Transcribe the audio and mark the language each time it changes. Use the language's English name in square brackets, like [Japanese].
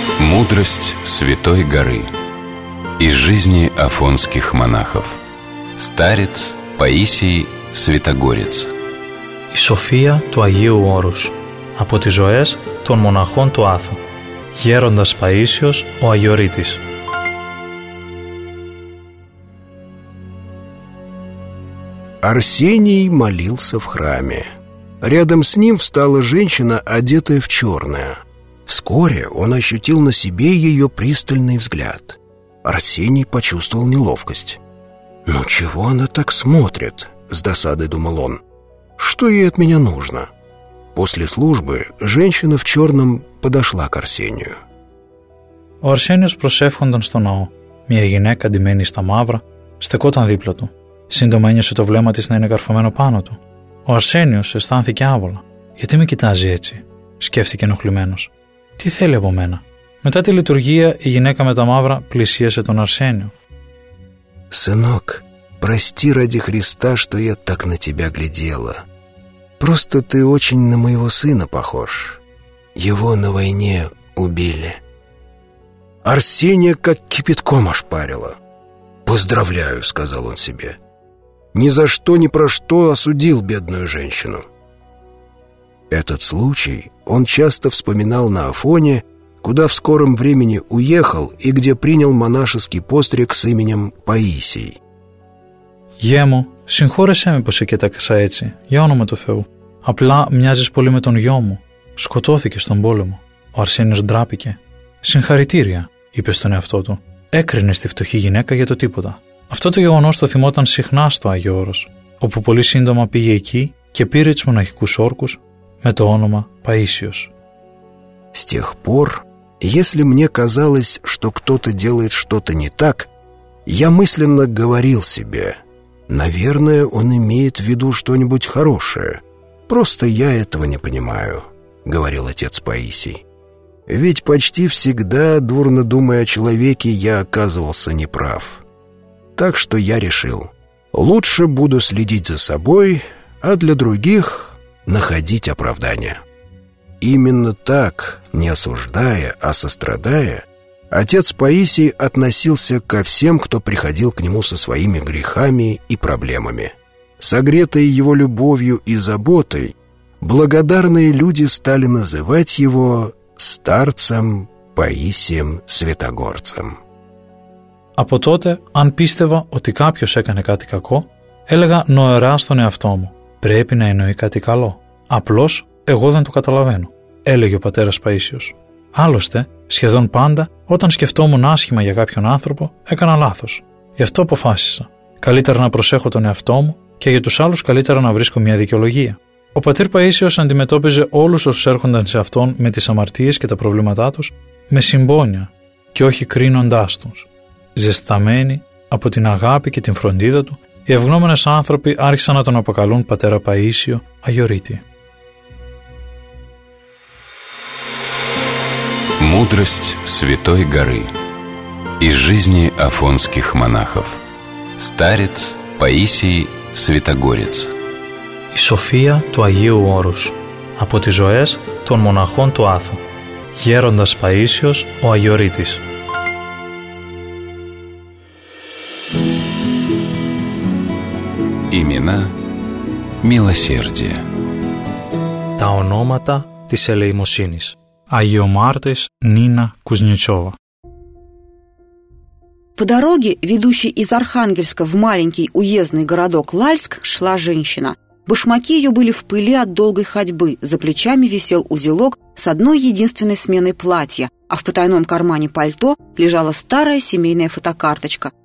[Russian] Мудрость Святой Горы из жизни афонских монахов. Старец Паисий Святогорец. [Greek] Η Σοφία του Αγίου Όρους από τις ζωές των μοναχών του Άθου. Γέροντας Παΐσιος, ο Αγιορείτης. [Russian] Арсений молился в храме. Рядом с ним встала женщина, одетая в черное. Вскоре он ощутил на себе ее пристальный взгляд. Арсений почувствовал неловкость. «Ну чего она так смотрит?» — с досадой думал он. «Что ей от меня нужно?» После службы женщина в черном подошла к Арсению. [Greek] Ο Αρσένιος προσεύχονταν στο ναό. Μια γυναίκα ντυμένη στα μαύρα στεκόταν δίπλα του. Σύντομα ένιωσε το βλέμμα της να είναι καρφωμένο πάνω του. Ο Αρσένιος αισθάνθηκε άβολα. «Γιατί με κοιτάζει έτσι?» σκέφτηκε ενοχλημένος. «Τι θέλει από μένα?» Μετά τη λειτουργία, η γυναίκα με τα μαύρα πλησίασε τον Αρσένιο. [Russian] «Σενόκ, прости ради Христа, что я так на тебя глядела. Просто ты очень на моего сына похож. Его на войне убили». Арсения как кипятком ошпарила. «Поздравляю», — сказал он себе. «Ни за что, ни про что осудил бедную женщину». Этот случай он часто вспоминал на Афоне, куда в скором времени уехал и где принял монашеский постриг с именем Паисий. [Greek] «Ему, συγχώρεσέ με που σε κοίταξα έτσι, για όνομα του Θεού. Απλά μοιάζεις πολύ με τον γιο μου. Σκοτώθηκε στον πόλεμο. Ο Αρσένιος ντράπηκε. «Συγχαρητήρια», είπε στον εαυτό του. «Έκρινε στη φτωχή γυναίκα για το τίποτα». Αυτό το γεγονός το θυμόταν συχνά στο Άγιο Όρος, όπου πολύ σύντομα πήγε εκεί και πήρε τους μοναχικούς όρκους με το όνομα Παΐσιος. [Russian] С тех пор, если мне казалось, что кто-то делает что-то не так, я мысленно говорил себе: «Наверное, он имеет в виду что-нибудь хорошее. Просто я этого не понимаю», — говорил отец Паисий. «Ведь почти всегда, дурно думая о человеке, я оказывался неправ. Так что я решил: лучше буду следить за собой, а для других находить оправдание». Именно так, не осуждая, а сострадая, отец Паисий относился ко всем, кто приходил к нему со своими грехами и проблемами. Согретые его любовью и заботой, благодарные люди стали называть его старцем Паисием Святогорцем. [Greek] Από τότε, αν πίστευα ότι κάποιος έκανε κάτι κακό, έλεγα νοερά στον εαυτό μου: «Πρέπει να εννοεί κάτι καλό. Απλώς εγώ δεν το καταλαβαίνω», έλεγε ο πατέρας Παΐσιος. Άλλωστε, σχεδόν πάντα, όταν σκεφτόμουν άσχημα για κάποιον άνθρωπο, έκανα λάθος. Γι' αυτό αποφάσισα: καλύτερα να προσέχω τον εαυτό μου και για τους άλλους καλύτερα να βρίσκω μια δικαιολογία. Ο πατήρ Παΐσιος αντιμετώπιζε όλους όσους έρχονταν σε αυτόν με τις αμαρτίες και τα προβλήματά τους με συμπόνια και όχι κρίνοντάς τους. Ζεσταμένοι από την αγάπη και την φροντίδα του, οι ευγνώμενες άνθρωποι άρχισαν να τον αποκαλούν πατέρα Παΐσιο Αγιορείτη. [Russian] Мудрость Святой Горы из жизни афонских монахов. Старец Паисий Святогорец. [Greek] Η Σοφία του Αγίου Όρους από τις ζωές των μοναχών του Άθου. Γέροντας Παΐσιος ο Αγιορείτης. [Russian] Имена милосердия. [Greek] Τα ονόματα της ελεημοσύνης. [Russian] Агиомартис Нина Кузнецова. По дороге, ведущей из Архангельска в маленький уездный городок Лальск, шла женщина. Башмаки ее были в пыли от долгой ходьбы, за плечами висел узелок с одной единственной сменой платья, а в потайном кармане пальто лежала старая семейная фотокарточка.